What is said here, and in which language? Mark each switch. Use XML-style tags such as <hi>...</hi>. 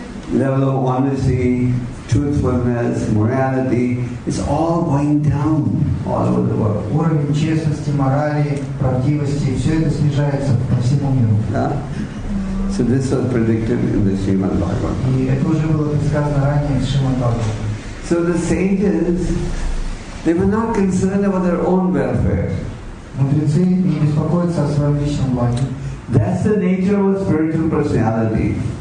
<en>Level of honesty, truthfulness, morality, it's all going down all over the world.</en> <ru>Уровень честности, морали, правдивости, все это снижается по всему миру.</ru> <en>So this was predicted in the Srimad Bhagavatam.</en> <ru>И это уже было предсказано ранее в Шримад Бхагаватам.</ru> <en>So the sages, they were not concerned about their own welfare. That's the nature of a spiritual personality.</en>